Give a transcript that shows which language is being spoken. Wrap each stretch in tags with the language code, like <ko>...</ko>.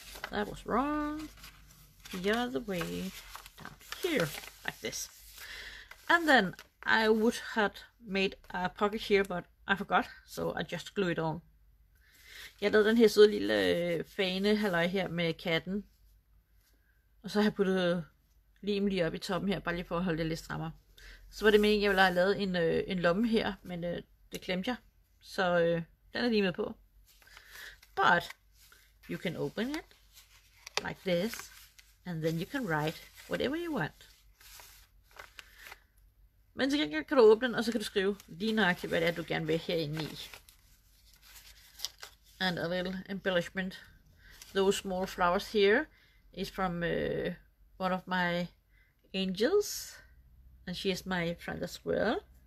<en>That was wrong. The other way down here, like this. And then I would have made a pocket here, but I forgot, so I just glue it on.</en> <da>Jeg lavede den her søde lille fane halløj her med katten. Og så har jeg puttet lim lige op i toppen her, bare lige for at holde det lidt strammere. Så var det meningen, jeg ville have lavet en lomme her, men det klemte jeg. Så den er lige med på.</da> <en>But you can open it like this, and then you can write whatever you want.</en> <da>Men til gengæld kan du åbne den, og så kan du skrive lige nøjagtigt, hvad det er, du gerne vil herinde i.</da> <en>And a little embellishment. Those small flowers here is from one of my angels, and she is my friend as well.</en>